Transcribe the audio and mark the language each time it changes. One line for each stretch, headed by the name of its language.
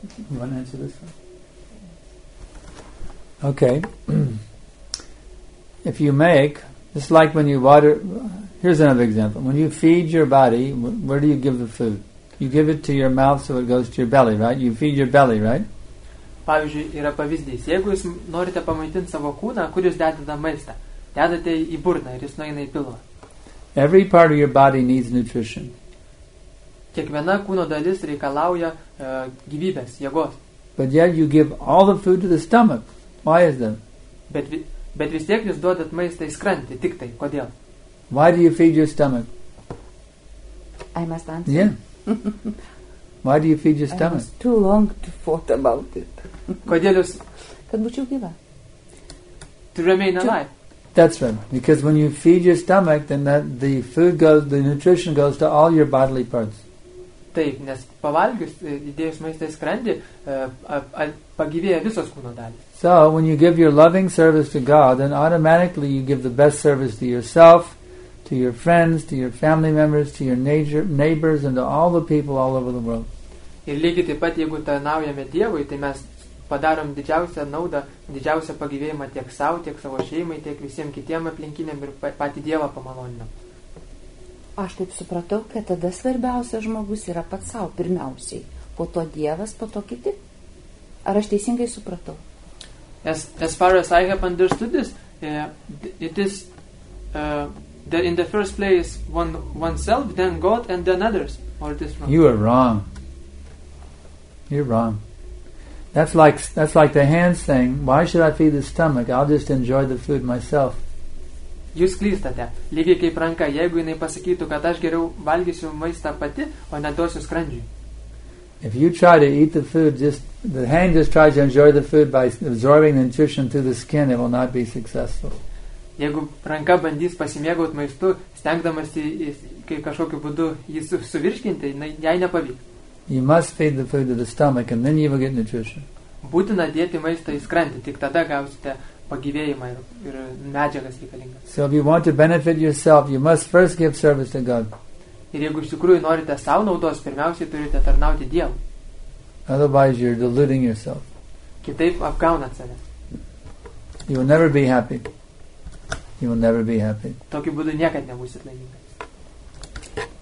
English: You want to answer this one? Okay. If you make, just like when you water, here's another example. When you feed your body, where do you give the food? You give it to your mouth so it goes to your belly, right? You feed your belly, right?
Lithuanian: Pavyzdžiui, yra pavyzdys. Jeigu jūs norite pamaitinti savo kūną, kur jūs dedate maistą, dedate į burną ir jis nueina į pilvą.
English: Every part of your body needs nutrition.
Lithuanian: Kiekviena kūno dalis reikalauja gyvybės, jėgos.
English: But yet you give all the food to the stomach. Why is that?
Lithuanian: Bet vis tiek jūs duodat maistą į skrantį, tik tai. Kodėl?
English: Why do you feed your stomach? I must answer. Yeah. Why do you feed your stomach? I was too long to thought about it.
Lithuanian: Kodėl jūs? Kad būčiau gyva.
English: To remain alive. That's right. Because when you feed your stomach, then that the food goes, the nutrition goes to all your bodily parts.
Lithuanian: Taip, nes pavalgius, įdėjus maistą į skrandį, pagyvėja visos kūno dalys.
English: So, when you give your loving service to God, then automatically you give the best service to yourself, to your friends, to your family members, to your neighbors, and to all the people all over the world.
Lithuanian: Ir lygiai taip pat, jeigu tarnaujame Dievui, tai mes padarom didžiausią naudą, didžiausią pagyvėjimą tiek sau, tiek savo šeimai, tiek visiems kitiem aplinkiniam ir patį Dievą pamaloninam. Aš taip supratau, kad tada svarbiausia žmogus yra pats sau pirmiausiai, po to Dievas, po to kiti. Ar aš teisingai supratau?
English: As far as I have understood this, it is that in the first place oneself, then God, and then others. Or it is wrong. You are wrong. You're wrong. That's like the hands saying, "Why should I feed the stomach? I'll just enjoy the food myself."
Lithuanian: Jūs klystate. Lygiai kaip ranka, jeigu jinai pasakytų, kad aš geriau valgysiu maistą pati, o ne duosiu skrandžiui.
English: If you try to eat the food, just the hand just tries to enjoy the food by absorbing the nutrition through the skin, it will not be successful.
Lithuanian: Jeigu ranka bandys pasimėgauti maistu, stengdamasi kaip kažkokiu būdu jį suvirškinti, jai nepavyks.
English: You must feed the food to the stomach and then you will get nutrition.
Lithuanian: Būtina dėti maistą į skrandį, tik tada gausite pagyvėjimą ir medžiagas reikalingas.
English: So if you want to benefit yourself, you must first give service to God.
Lithuanian: Ir jeigu iš tikrųjų norite savo naudos, pirmiausiai turite tarnauti Dievui.
English: Otherwise you're deluding yourself.
Lithuanian: Kitaip apgaunat save.
English: You will never be happy. You will never be happy.
Lithuanian: Tokiu būdu niekad nebūsit laimingas.